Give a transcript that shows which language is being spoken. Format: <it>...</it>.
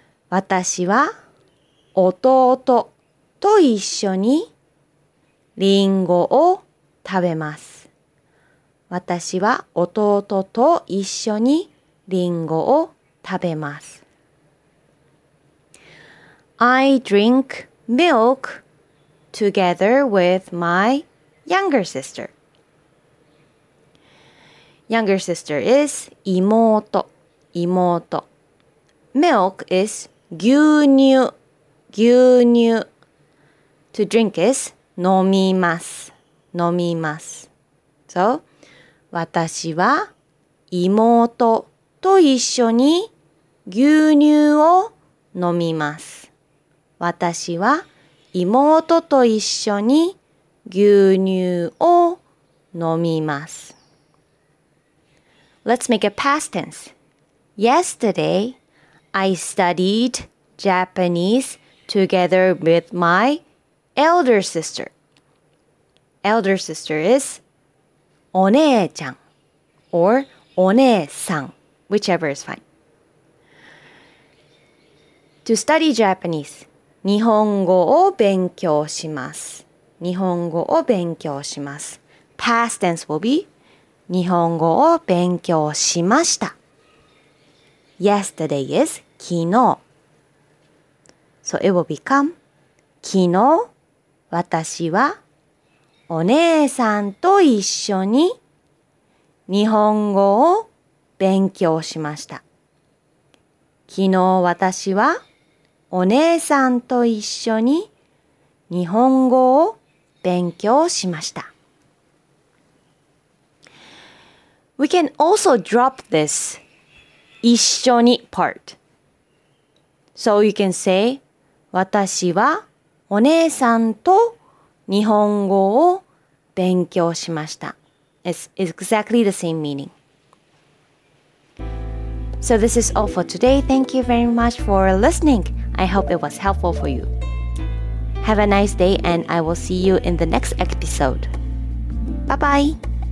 <ja>私は弟と一緒にリンゴを食べます。私は弟と一緒にリンゴを食べます。</ja> <en>I drink milk together with my younger sister. Younger sister is</en> <ja>妹。妹。</ja> <en>Milk is 牛乳。</en> <ja>牛乳。</ja> <en>To drink is</en> <ja>飲みます。飲みます。</ja> <en>So,</en> <ja>私は妹と一緒に牛乳を飲みます。私は妹と一緒に牛乳を飲みます。</ja> <en>Let's make a past tense. Yesterday, I studied Japanese together with my elder sister. Elder sister is</en> <ja>お姉ちゃん</ja> <en>or お姉さん, whichever is fine. To study Japanese,</en> <ja>日本語を勉強します。日本語を勉強します。</ja> <en>Past tense will be</en> <ja>日本語を勉強しました。</ja> <en>Yesterday is</en> <ja>昨日。</ja> <en>So it will become</en> <ja>昨日私はお姉さんと一緒に日本語を勉強しました。昨日私はお姉さんと一緒に日本語を勉強しました。</ja> <en>We can also drop this 一緒に part. So you can say</en> <ja>私はお姉さんと日本語を勉強しました。</ja> <en>It's exactly the same meaning. So this is all for today. Thank you very much for listening. I hope it was helpful for you. Have a nice day and I will see you in the next episode. Bye-bye!</en>